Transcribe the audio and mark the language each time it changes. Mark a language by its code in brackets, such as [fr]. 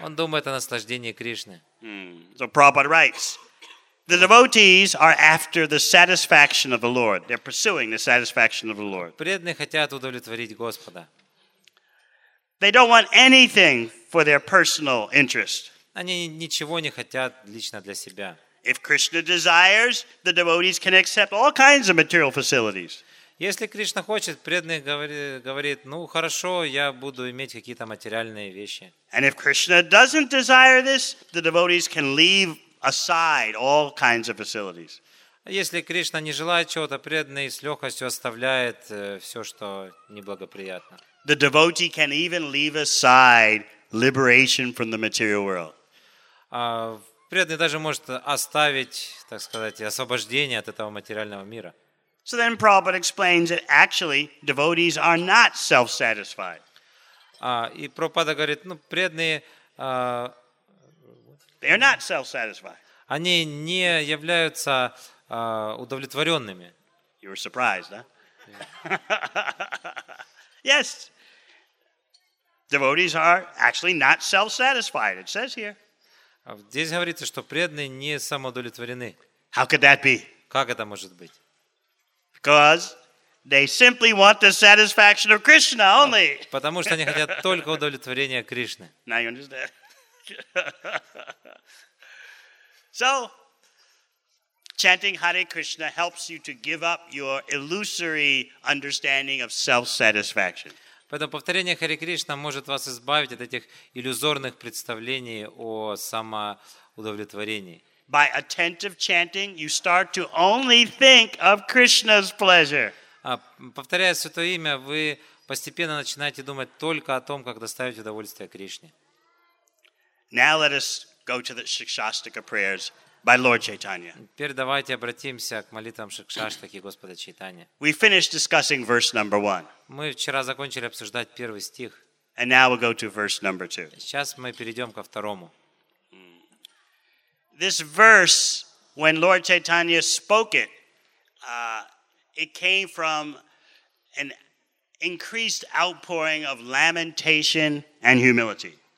[ru] Он думает о наслаждении Кришны. [en] So Prabhupada writes, The devotees are after the satisfaction of the Lord. They're pursuing the satisfaction of the Lord. [ru] Преданные хотят удовлетворить Господа. [en] They don't want anything for their personal interest. [ru] Они ничего не хотят лично для себя. [en] If Krishna desires, the devotees can accept all kinds of material facilities. [ru] Если Кришна хочет, преданный говорит: "Ну, хорошо, я буду иметь какие-то материальные вещи". [en] And if Krishna doesn't desire this, the devotees can leave aside all kinds of facilities. [ru] Если Кришна не желает чего-то, преданный с лёгкостью оставляет всё, что неблагоприятно. [en] The devotee can even leave aside liberation from the material world. [ru] Преданный даже может оставить, так сказать, освобождение от этого материального мира. [en] So then Prabhupada explains that actually devotees are not self-satisfied. [ru] И Прабхупада говорит, ну, преданные [en] they're not self-satisfied. [ru] Они не являются удовлетворёнными. [en] You were surprised, huh? Yes. Devotees are actually not self-satisfied. It says here. [ru] Здесь говорится, что преданные не самоудовлетворены. [en] How could that be? [ru] Как это может быть? [en] Because they simply want the satisfaction of Krishna only. [ru] Потому что они хотят только удовлетворения Кришны. [en] Now you understand. So, chanting Hare Krishna helps you to give up your illusory understanding of self-satisfaction. [ru] Поэтому повторение Харе Кришна может вас избавить от этих иллюзорных представлений о самоудовлетворении. [en] By attentive chanting, you start to only think of Krishna's pleasure. [ru] Повторяя Святое Имя, вы постепенно начинаете думать только о том, как доставить удовольствие Кришне. [en] Now let us go to the Shikshastaka prayers by Lord Chaitanya. [ru] Теперь давайте обратимся к молитвам Шикшаштаки Господа Чайтанья. [en] We finished discussing verse number 1. [ru] Мы вчера закончили обсуждать первый стих. [en] And now we'll go to verse number 2. [ru] Сейчас мы перейдём ко второму. [en] This verse, when Lord Chaitanya spoke it, it came from an increased outpouring of lamentation and humility.